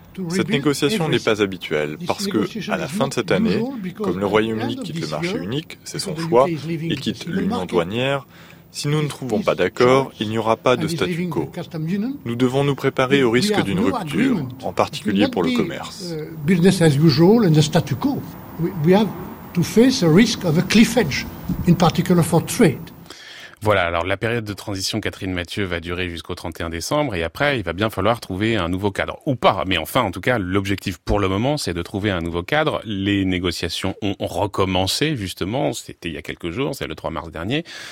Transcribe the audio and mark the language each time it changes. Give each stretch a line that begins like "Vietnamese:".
French: Cette négociation n'est pas habituelle, parce que, à la fin de cette année, comme le Royaume-Uni quitte le marché unique, c'est son choix, et quitte l'union douanière, si nous ne trouvons pas d'accord, il n'y aura pas de statu quo. Nous devons nous préparer au risque d'une rupture, en particulier pour le commerce.
English: Business as usual and the statu quo. We have to face a risk of a cliff edge, in particular for trade.
French: Voilà, alors la période de transition, Catherine Mathieu, va durer jusqu'au 31 décembre et après, il va bien falloir trouver un nouveau cadre. Ou pas, mais enfin, en tout cas, l'objectif pour le moment, c'est de trouver un nouveau cadre. Les négociations ont recommencé, justement, c'était il y a quelques jours, c'est le 3 mars dernier.